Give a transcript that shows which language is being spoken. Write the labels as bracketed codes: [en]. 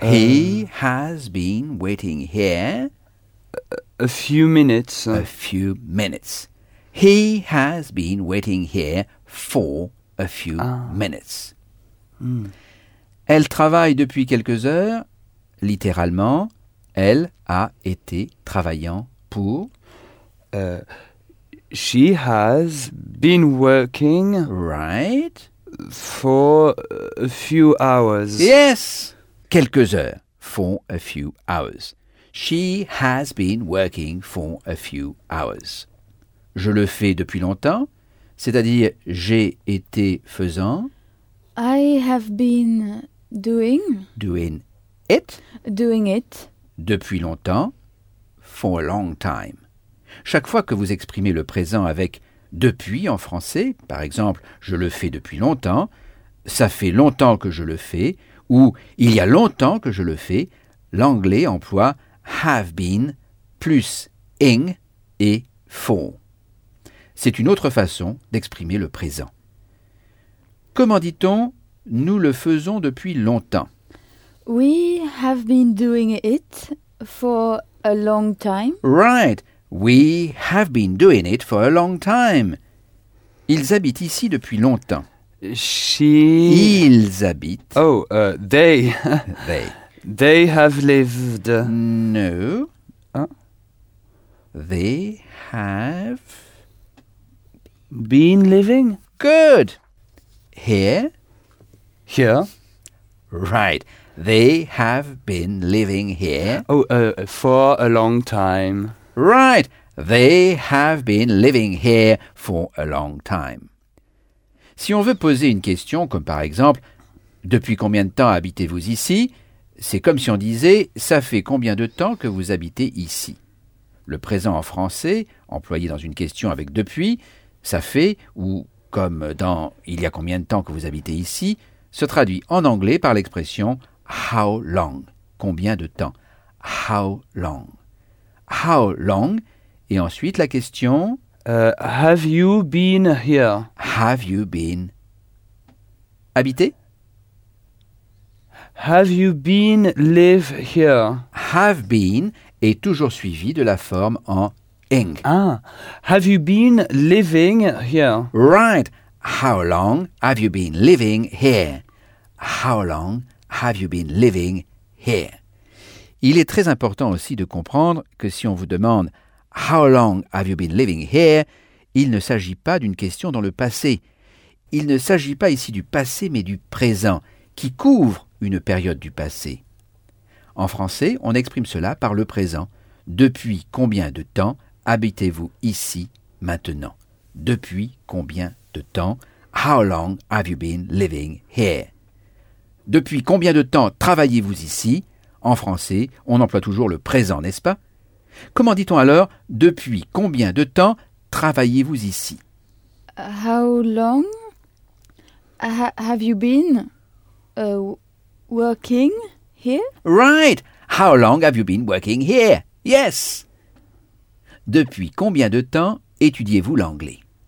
[en] He has been waiting here ». « A few minutes ».« A few minutes ». He has been waiting here for a few minutes. [fr] Elle travaille depuis quelques heures. Littéralement, elle a été travaillant pour. [en] She has been working. Right. For a few hours. Yes. [fr] Quelques heures. [en] For a few hours. She has been working for a few hours. [fr] Je le fais depuis longtemps, c'est-à-dire j'ai été faisant. [en] I have been doing. Doing it. Doing it. [fr] Depuis longtemps. [en] For a long time. [fr] Chaque fois que vous exprimez le présent avec depuis en français, par exemple, je le fais depuis longtemps, ça fait longtemps que je le fais, ou il y a longtemps que je le fais, l'anglais emploie [en] have been [fr] plus ing et for. C'est une autre façon d'exprimer le présent. Comment dit-on « nous le faisons depuis longtemps » ? [en] We have been doing it for a long time. Right. We have been doing it for a long time. [fr] Ils habitent ici depuis longtemps. [en] She... [fr] Ils habitent. [en] Oh, they. They. They have lived. No. They have... Been living? Good. Here? Here. Right. They have been living here. Oh, for a long time. Right. They have been living here for a long time. [fr] Si on veut poser une question, comme par exemple, depuis combien de temps habitez-vous ici? C'est comme si on disait, ça fait combien de temps que vous habitez ici? Le présent en français, employé dans une question avec depuis, ça fait, ou comme dans « il y a combien de temps que vous habitez ici », se traduit en anglais par l'expression « [en] how long [fr] », combien de temps, « how long ».« [en] How long [fr] » et ensuite la question [en] « have you been here ?»« Have you been habité ?»« Have you been live here ?»« Have been [fr] » est toujours suivi de la forme en « ing. [en] Ah, have you been living here? Right. How long have you been living here? How long have you been living here? [fr] Il est très important aussi de comprendre que si on vous demande [en] How long have you been living here? [fr] Il ne s'agit pas d'une question dans le passé. Il ne s'agit pas ici du passé, mais du présent, qui couvre une période du passé. En français, on exprime cela par le présent. Depuis combien de temps habitez-vous ici maintenant? Depuis combien de temps? [en] How long have you been living here? [fr] Depuis combien de temps travaillez-vous ici? En français, on emploie toujours le présent, n'est-ce pas? Comment dit-on alors depuis combien de temps travaillez-vous ici? [en] How long have you been working here? Right! How long have you been working here? Yes! [fr] Depuis combien de temps étudiez-vous l'anglais?